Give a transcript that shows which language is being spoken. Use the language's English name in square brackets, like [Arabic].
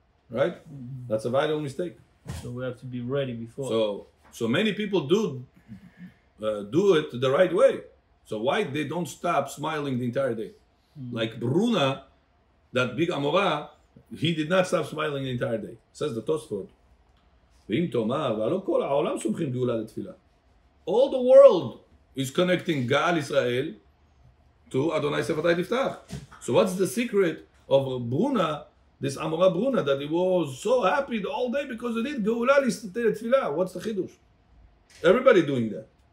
[English] Right? That's a vital mistake. So we have to be ready before. So many people do it the right way. So why they don't stop smiling the entire day? Like Bruna, that big Amora, he did not stop smiling the entire day. Says the Tosfot. [Hebrew] ואם תאמר, ולא כל העולם סומכים גאולה לתפילה. [English] All the world is connecting [Hebrew] גאל ישראל [English] to Adonai Sefatai Tiftach. So what's the secret of Bruna, this Amora Bruna, that he was so happy all day because he did Geula Tefillah? What's the Chiddush? Everybody doing that.